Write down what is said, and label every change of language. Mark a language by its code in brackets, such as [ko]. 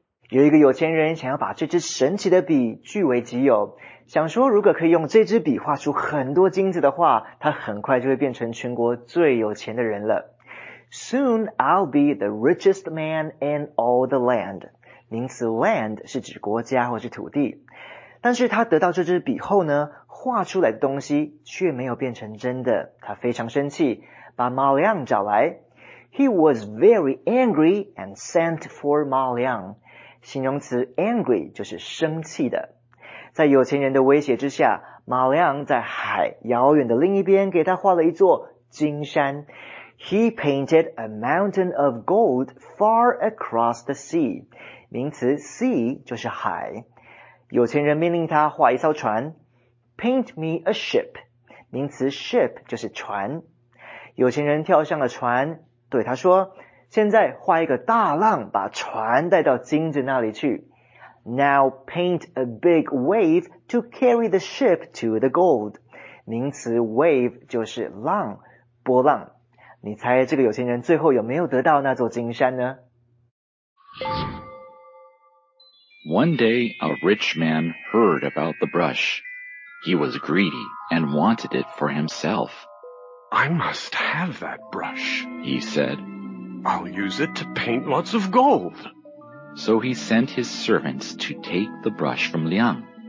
[zh] 有一个有钱人想要把这支神奇的笔据为己有，想说如果可以用这支笔画出很多金子的话，他很快就会变成全国最有钱的人了。 [en] Soon I'll be the richest man in all the land. [zh] 名词 land 是指国家或是土地。但是他得到这支笔后呢，画出来的东西却没有变成真的，他非常生气，把马亮找来。 [en] He was very angry and sent for Ma Liang. [zh] 形容词 angry 就是生气的。在有钱人的威胁之下，马亮在海遥远的另一边给他画了一座金山。 [en] He painted a mountain of gold far across the sea. [zh] 名词 sea 就是海。有钱人命令他画一艘船， [en] Paint me a ship. [zh] 名词 ship 就是船。有钱人跳上了船，对他说，现在画一个大浪把船带到金子那里去。 [en] Now paint a big wave to carry the ship to the gold. [zh] 名词 wave 就是浪，波浪。你猜这个有钱人最后有没有得到那座金山呢？ [en] One day, a rich man heard about the brush. He was greedy and wanted it for himself. I must have that brush, he said. I'll use it to paint lots of gold. So he sent his servants to take the brush from Liang.